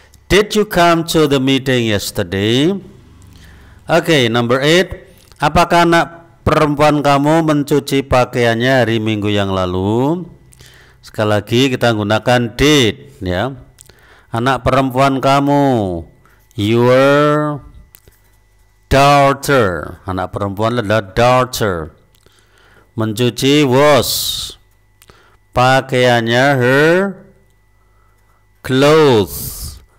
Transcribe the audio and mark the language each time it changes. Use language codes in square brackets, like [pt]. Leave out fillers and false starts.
[en] Did you come to the meeting yesterday? [id] Okay, [en] number 8, [id] apakah anak perempuan kamu mencuci pakaiannya hari minggu yang lalu? Sekali lagi kita gunakan did ya. Anak perempuan kamu, your daughter. Anak perempuan adalah daughter. Mencuci was. [en] Pakaiannya her clothes.